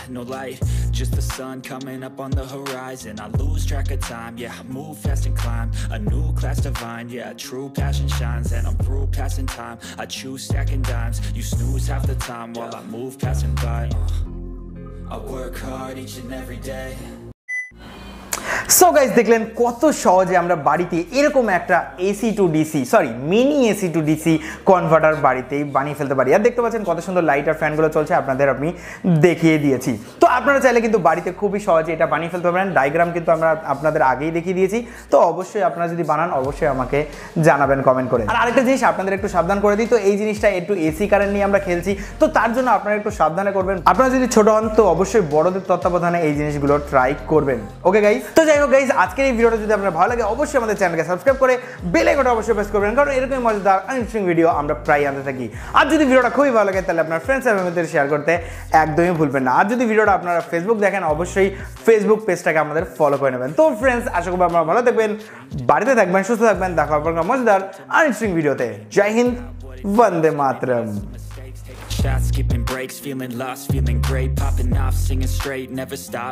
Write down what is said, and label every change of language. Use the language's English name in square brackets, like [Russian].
[English] No light, just the sun coming up on the horizon. I lose track of time, yeah, I move fast and climb. A new class divine, yeah, true passion shines. And I'm through passing time, I choose stacking dimes. You snooze half the time while I move passing by. I work hard each and every day. [Bangla] So guys, দেখলেন কত সহজে আমরা বাড়িতে এরকম একটা AC two DC, sorry mini AC two DC converter বাড়িতেই বানিয়ে ফেলতে পারি। আর দেখতে পাচ্ছেন কত সুন্দর লাইট আর ফ্যানগুলো চলছে, আপনাদের আমি দেখিয়ে দিয়েছি। তো আপনারা চাইলে কিন্তু বাড়িতে খুবই সহজে এটা বানিয়ে ফেলতে পারেন। ডায়াগ্রাম কিন্তু আমরা আপনাদের আগেই দেখিয়ে দিয়েছি, তো অবশ্যই আপনারা যদি বানান অবশ্যই আমাকে জানাবেন কমেন্ট করে। আর আরেকটা জিনিস আপনাদের একটু সাবধান করে দিই, তো এই জিনিসটা একটু এসি কারেন্ট নিয়ে আমরা খেলছি, তো তার জন্য আপনারা একটু সাবধানে করবেন। আপনারা যদি ছোট হন তো অবশ্যই বড়দের তত্ত্বাবধানে এই জিনিসগুলো ট্রাই করবেন। ওকে গাইজ, তো যাই হোক গাইজ, আজকের এই ভিডিওটা যদি আপনার ভালো লাগে অবশ্যই আমাদের চ্যানেলকে সাবস্ক্রাইব করে বেল আইকনটা অবশ্যই প্রেস করবেন, কারণ এরকমই মজাদার ইন্টারেস্টিং ভিডিও আমরা প্রায় আনতে থাকি। আর যদি ভিডিওটা খুবই ভালো লাগে তাহলে আপনার ফ্রেন্ডস এন্ড ফ্যামিলিদের শেয়ার করতে একদমই ভুলবেন না। আর যদি ভিডিওটা আপনারা ফেসবুক দেখেন অবশ্যই ফেসবুক পেজটাকে আমাদের ফলো করে নেবেন। তো ফ্রেন্ডস, আশা করবো আপনারা ভালো থাকবেন, বাড়িতে থাকবেন, সুস্থ থাকবেন, দেখা হবে মজাদার ইন্টারেস্টিং ভিডিওতে। জয় হিন্দ, বন্দে মাতরম। [English] Shots, skipping breaks, feeling lost, feeling great, popping off, singing straight, never stop.